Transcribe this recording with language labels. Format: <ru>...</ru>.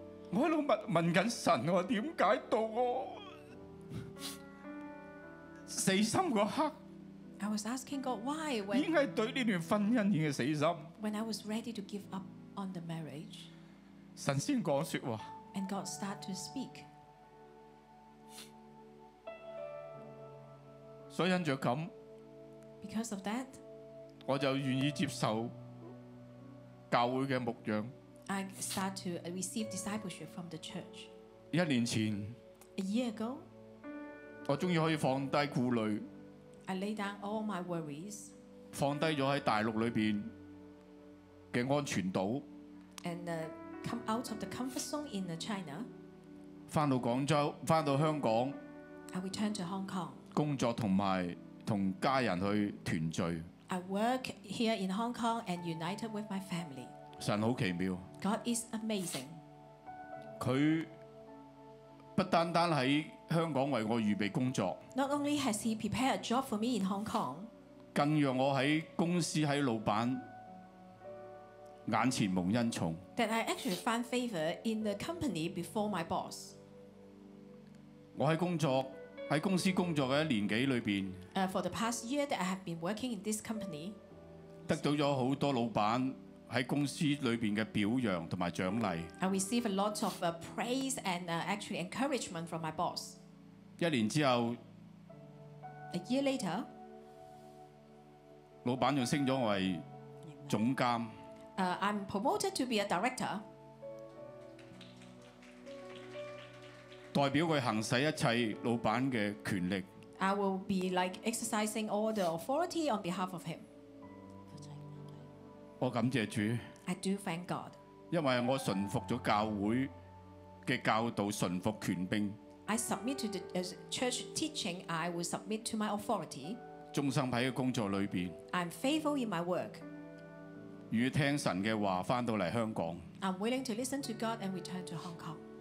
<yue>我喺度問緊神，我點解到我？死心嗰刻</yue> <en>，I was asking God why when</en> <yue>已經係對呢段婚姻已經死心。</yue> <en>When I was ready to give up on the marriage，</en> <yue>神先講説話</yue> <en>，and God start to speak。</en> <yue>所以因著咁</yue> <en>，because of that，</en> <yue>我就願意接受教會嘅牧養。</yue> <en>I start to receive discipleship from the church。</en> <yue>一年前</yue> <en>，a year ago。</en> <yue>我終於可以放低顧慮</yue> <en>，I lay down all my worries，</en> <yue>放低咗喺大陸裏邊嘅安全島</yue> <en>，and come out of the comfort zone in China，</en> <yue>翻到廣州，翻到香港</yue> <en>，I return to Hong Kong，</en> <yue>工作同埋同家人去團聚</yue> <en>，I work here in Hong Kong and united with my family。</en> <yue>神好奇妙</yue> <en>，God is amazing。</en> <yue>佢不單單喺香港為我預備工作</yue> <en>，Not only has he prepared a job for me in Hong Kong，</en> <yue>更讓我喺公司喺老闆眼前蒙恩寵</yue> <en>，That I actually find favour in the company before my boss。</en> <yue>我喺工作喺公司工作嘅一年幾裏邊</yue> <en>，For the past year that I have been working in this company，</en> <yue>得到咗好多老闆。在公司裏面的表揚和獎勵</yue> <en>I receive a lot of praise and actually encouragement from my boss</en> <yue>一年之後</yue> <en>A year later</en> <yue>老闆就升了我為總監</yue> <en>I'm promoted to be a director</en> <yue>代表他行使一切老闆的權力</yue> <en>I will be like exercising all the authority on behalf of him</en> <yue>我感謝主</yue> <en>，I do thank God，</en> <yue>因為我順服咗教會嘅教導，順服權柄。</yue> <en>I submit to the church teaching. I will submit to my authority.</en> <yue>忠心喺工作裏邊。</yue> <en>I'm faithful in my work.</en> <yue>與聽神嘅話，翻到嚟香港。</yue> <en>I'm willing to listen to God and return to Hong Kong.</en>